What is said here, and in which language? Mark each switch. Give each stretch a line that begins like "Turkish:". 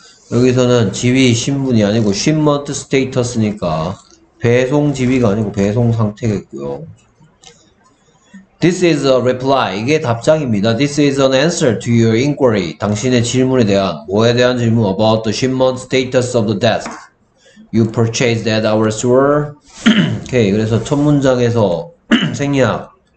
Korean: 여기서는 지위, 신분이 아니고
English: shipment status
Korean: 니까 배송 지위가 아니고 배송 상태겠고요.
English: This is a reply.
Korean: 이게 답장입니다.
English: This is an answer to your inquiry.
Korean: 당신의 질문에 대한, 뭐에 대한 질문?
English: About the shipment status of the desk you purchased at our store.
Korean: 오케이. 그래서 첫 문장에서 생략.